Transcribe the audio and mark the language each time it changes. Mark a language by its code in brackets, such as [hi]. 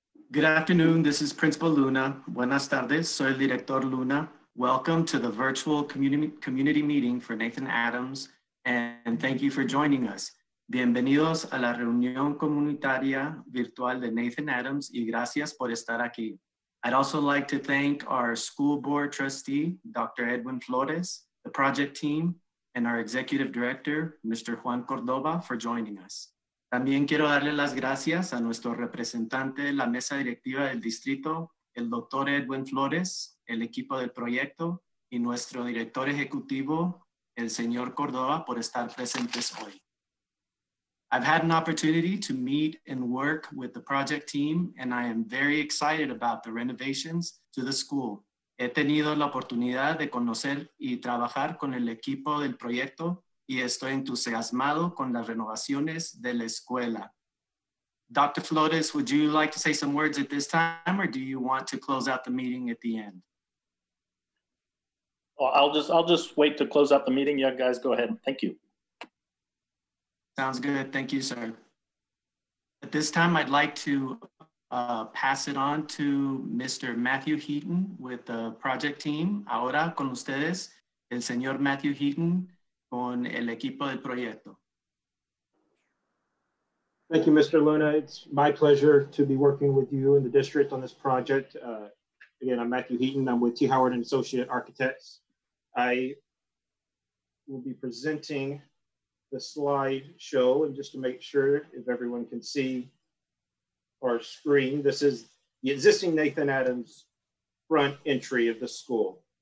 [en] Good afternoon, this is Principal Luna. [es] Buenas tardes, soy el director Luna. [en] Welcome to the virtual community meeting for Nathan Adams, and thank you for joining us. [es] Bienvenidos a la reunión comunitaria virtual de Nathan Adams y gracias por estar aquí. [en] I'd also like to thank our school board trustee, Dr. Edwin Flores, the project team, and our executive director, Mr. Juan Cordova, for joining us. [es] También quiero darle las gracias a nuestro representante de la mesa directiva del distrito, el Dr. Edwin Flores, el equipo del proyecto, y nuestro director ejecutivo, el señor Cordova, por estar presentes hoy. [en] I've had an opportunity to meet and work with the project team, and I am very excited about the renovations to the school. [es] He tenido la oportunidad de conocer y trabajar con el equipo del proyecto, y estoy entusiasmado con las renovaciones de la escuela. [en] Dr. Flores, would you like to say some words at this time, or do you want to close out the meeting at the end? Well, I'll just wait to close out the meeting. You guys go ahead. Thank you. Sounds good. Thank you, sir. At this time, I'd like to pass it on to Mr. Matthew Heaton with the project team. [es] Ahora con ustedes, el señor Matthew Heaton, con el equipo del proyecto. [en] Thank you, Mr. Luna. It's my pleasure to be working with you in the district on this project. Again, I'm Matthew Heaton. I'm with T. Howard and Associate Architects. I will be presenting the slideshow, and just to make sure if everyone can see our screen, this is the existing Nathan Adams front entry of the school.